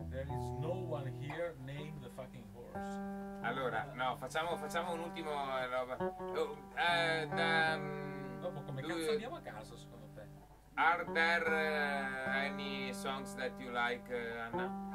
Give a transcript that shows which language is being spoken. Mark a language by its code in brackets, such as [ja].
[en] There is no one here named the fucking horse. [it] Allora, no, facciamo un ultimo roba. Dopo come cazzo andiamo a casa, secondo te? [en] Are there any songs that you like, Anna?